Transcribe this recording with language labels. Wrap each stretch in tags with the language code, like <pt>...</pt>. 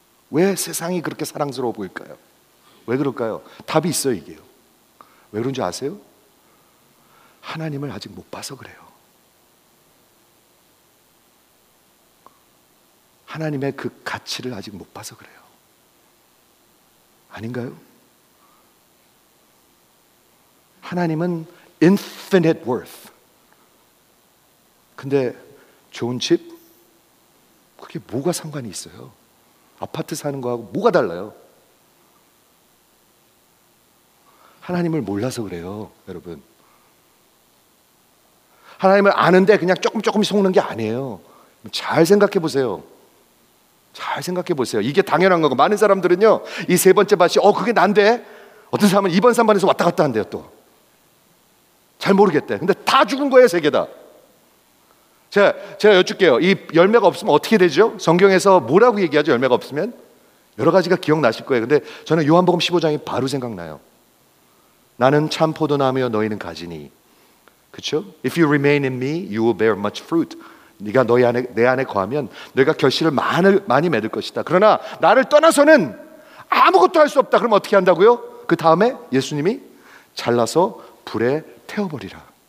<ko>왜 세상이 그렇게 사랑스러워 보일까요? 왜 그럴까요? 답이 있어요, 이게요. 왜 그런지 아세요? 하나님을 아직 못 봐서 그래요. 하나님의 그 가치를 아직 못 봐서 그래요. 아닌가요? 하나님은</ko> <en>infinite worth.</en> <ko>근데 좋은 집? 그게 뭐가 상관이 있어요? 아파트 사는 거하고 뭐가 달라요? 하나님을 몰라서 그래요, 여러분. 하나님을 아는데 그냥 조금 속는 게 아니에요. 잘 생각해 보세요. 잘 생각해 보세요. 이게 당연한 거고 많은 사람들은요, 이 세 번째 맛이 그게 난데? 어떤 사람은 2번, 3번에서 왔다 갔다 한대요, 또. 잘 모르겠대. 근데 다 죽은 거예요, 세 개 다. 제가 여쭐게요. 이 열매가 없으면 어떻게 되죠? 성경에서 뭐라고 얘기하죠? 열매가 없으면? 여러 가지가 기억나실 거예요. 근데 저는 요한복음 15장이 바로 생각나요. 나는 참 포도나무요 너희는 가지니. 그쵸?</ko> <en>If you remain in me, you will bear much fruit.</en> <ko>네가 너희 안에, 내 안에 거하면 너희가 결실을 많이 맺을 것이다. 그러나 나를 떠나서는 아무것도 할 수 없다. 그럼 어떻게 한다고요? 그 다음에 예수님이 잘라서 불에 태워버리리라.</ko>